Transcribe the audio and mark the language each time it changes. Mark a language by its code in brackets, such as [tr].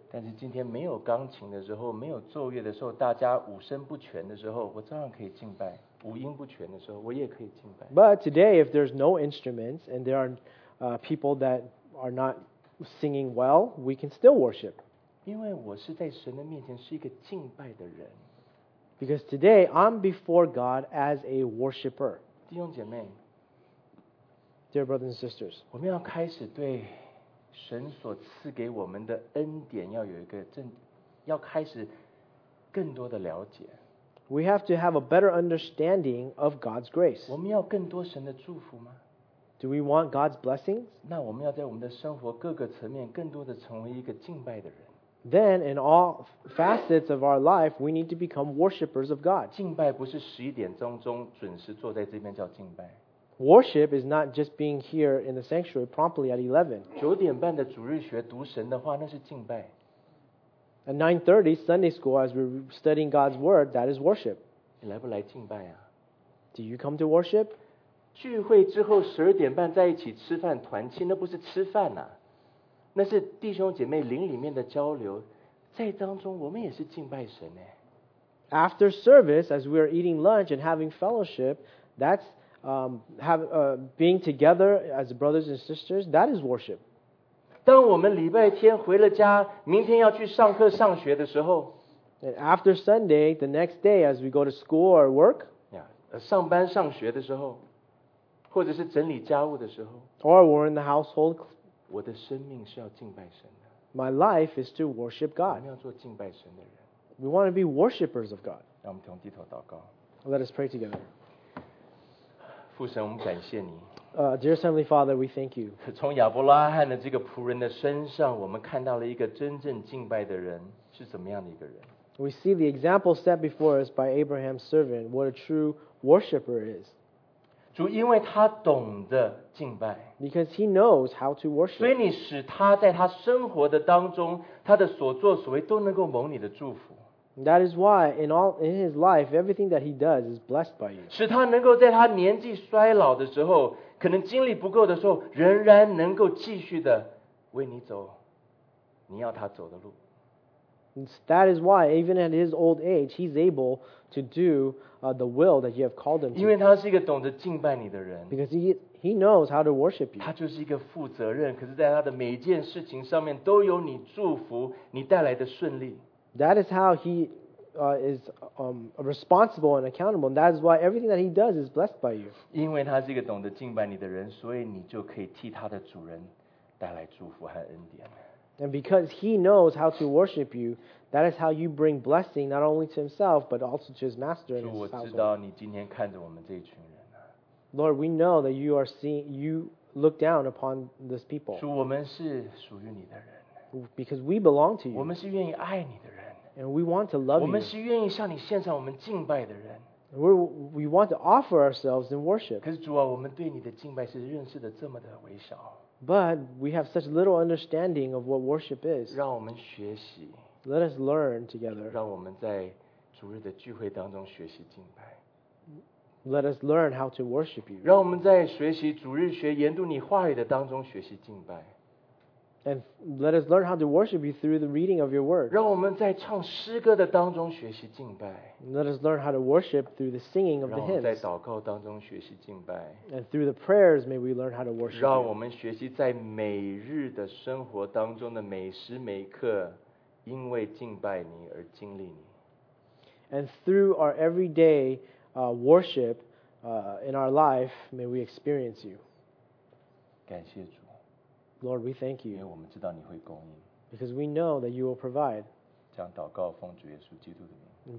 [zh] 但是今天没有钢琴的时候，没有奏乐的时候，大家五声不全的时候，我照样可以敬拜。五音不全的时候，我也可以敬拜。 [en] But today, if there's no instruments and there are people that are not singing well, we can still worship. [zh] 因为我是在神的面前是一个敬拜的人。 [en] Because today I'm before God as a worshiper. [zh] 弟兄姐妹 [en] ，Dear brothers and sisters， [zh] 我们要开始对神所赐给我们的恩典要有一个正，要开始更多的了解。 [en] We have to have a better understanding of God's grace. [zh] 我们要更多神的祝福吗？ [en] Do we want God's blessings? [zh] 那我们要在我们的生活各个层面更多的成为一个敬拜的人。 [en] Then in all facets of our life, we need to become worshippers of God. [zh] 敬拜不是十一点钟钟准时坐在这边叫敬拜。 [en] Worship is not just being here in the sanctuary promptly at 11. [zh] 九点半的主日学读神的话，那是敬拜。 [en] At 9:30 Sunday school, as we're studying God's word, that is worship. [zh] 你来不来敬拜啊? [en] Do you come to worship? [zh] 聚会之后十二点半在一起吃饭团契，那不是吃饭啊，那是弟兄姐妹灵里面的交流，在当中我们也是敬拜神耶。 [en] After service, as we are eating lunch and having fellowship, that's being together as brothers and sisters, that is worship. [zh] 当我们礼拜天回了家，明天要去上课上学的时候， [en] and after Sunday, the next day, as we go to school or work, [zh] 上班上学的时候，或者是整理家务的时候， [en] or we're in the household, [zh] 我的生命是要敬拜神的。 [en] My life is to worship God. [zh] 我们要做敬拜神的人。 [en] We want to be worshippers of God. [zh] 让我们同低头祷告。 [en] Let us pray together. [zh] 父神，我们感谢你。 [en] Dear Heavenly Father, we thank you. [zh] 从亚伯拉罕的这个仆人的身上，我们看到了一个真正敬拜的人是怎么样的一个人。 [en] We see the example set before us by Abraham's servant, what a true worshipper is. [zh] 主，因为他懂得敬拜。 [en] Because he knows how to worship. [zh] 所以你使他在他生活的当中，他的所作所为都能够蒙你的祝福。 [en] That is why in his life, everything that he does is blessed by you. [zh] 使他能够在他年纪衰老的时候，可能精力不够的时候，仍然能够继续的为你走你要他走的路。 [en] That is why, even at his old age, he's able to do the will that you have called him to. [zh] 因为他是一个懂得敬拜你的人。 [en] Because he knows how to worship you. [zh] 他就是一个负责任，可是在他的每一件事情上面都有你祝福，你带来的顺利。 [en] That is how he is responsible and accountable. And that is why everything that he does is blessed by you. [zh] 因为他是一个懂得敬拜你的人，所以你就可以替他的主人带来祝福和恩典。 [en] And because he knows how to worship you, that is how you bring blessing not only to himself, but also to his master and his household. [zh] 主，我知道你今天看着我们这一群人啊。 [en] Lord, we know that you are seeing, you look down upon this people. [zh] 主，我们是属于你的人。 [en] Because we belong to you. [zh] 我们是愿意爱你的人。 [en] And we want to love you. [zh] 我们是愿意向你献上我们敬拜的人。 [en] We want to offer ourselves in worship. [zh] 可是主啊，我们对你的敬拜是认识的这么的微小。 [en] But we have such little understanding of what worship is. [zh] 让我们学习。 [en] Let us learn together. [zh] 让我们在主日的聚会当中学习敬拜。 [en] Let us learn how to worship you. [zh] 让我们在学习主日学研读你话语的当中学习敬拜。 [en] And let us learn how to worship you through the reading of your word. [zh] 让我们在唱诗歌的当中学习敬拜。 [en] Let us learn how to worship through the singing of the hymns. [zh] 让我们在祷告当中学习敬拜。 [en] And through the prayers, may we learn how to worship. [zh] 让我们学习在每日的生活当中的每时每刻，因为敬拜你而经历你。 [en] And through our everyday worship in our life, may we experience you. [zh] 感谢主。 [en] Lord, we thank you. [zh] 因为我们知道你会供应。 [en] Because we know that you will provide. [zh] 这样祷告奉主耶稣基督的名。